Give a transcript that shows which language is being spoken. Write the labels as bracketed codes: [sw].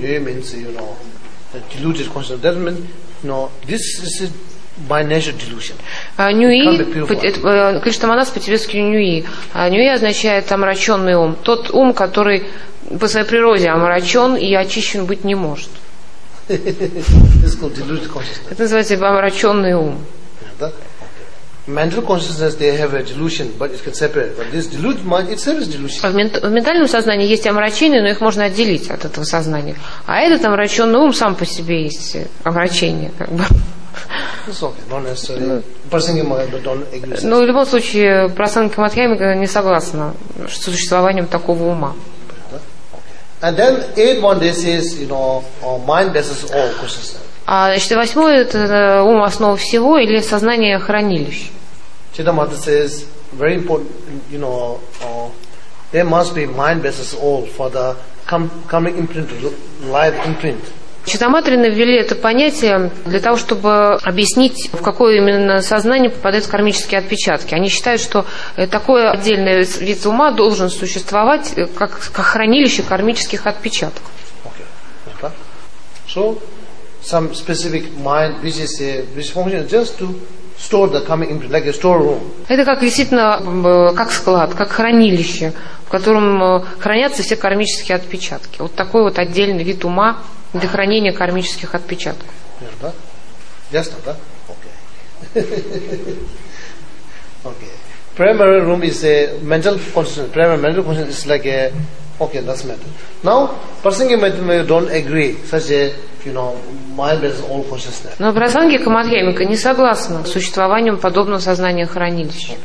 [en] Nyue means, you know, deluded consciousness. That means, you know, this is a by nature delusion. [ru] Нюи, клиштаманас по-тибетски нюи. Нюи означает омраченный ум. Тот ум, который по своей природе омрачен и очищен быть не может. Это называется омраченный ум. [en] Mental consciousness, they have a delusion, but it can separate. But this deluded mind itself is delusion. [ru] В ментальном сознании есть омрачение, но их можно отделить от этого сознания. А этот омраченный ум сам по себе есть омрачение, как бы. Но в любом случае Прасанна Каматхьямика не согласна с существованием такого ума. [en] And then eighth one, this is, you know, mind versus all consciousness. [ru] А значит, восьмое это ум основа всего или сознание хранилищ. [en] Читамата says very important, you know, there must be mind versus all for the coming imprint, live imprint. [ru] Читаматрины ввели это понятие для того, чтобы объяснить, в какое именно сознание попадают кармические отпечатки. Они считают, что такой отдельный вид ума должен существовать как хранилище кармических отпечатков. [en] Okay. So, some specific mind, which function is just to store the coming imprint, like a store room. [ru] Это как действительно, как склад, как хранилище, в котором хранятся все кармические отпечатки. Вот такой вот отдельный вид ума для хранения кармических отпечатков. Да? Ясно, да? Окей. Окей. [en] Primary room is a mental consciousness. Primary mental consciousness is like a... Okay, that's mental. Now, Prasangi Madhyamika don't agree. Such a, you know, mind is all consciousness. [ru] Но Прасанги Камадхьямика не согласна с существованием подобного сознания хранилища.